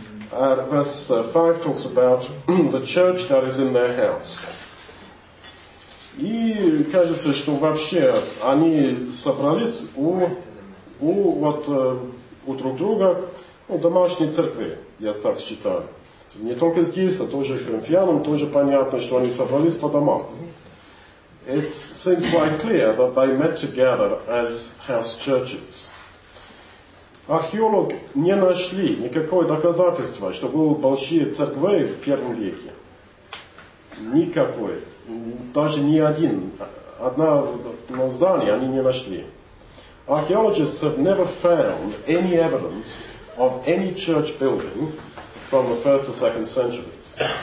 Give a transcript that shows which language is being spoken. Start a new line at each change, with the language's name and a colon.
English: Verse 5 talks about the church that is in their house.
Russian: И кажется, что вообще они собрались у друг друга, у домашней церкви, я так считаю. Не только здесь, а тоже коринфянам тоже понятно, что они собрались по домам.
English: It seems quite clear that they met together as house churches.
Russian: Археолог не нашли никакого доказательства, что были большие церкви в первом веке. Никакой. Даже ни один. Одно здание они не нашли.
English: Archaeologists have never found any evidence of any church building from the first or second centuries.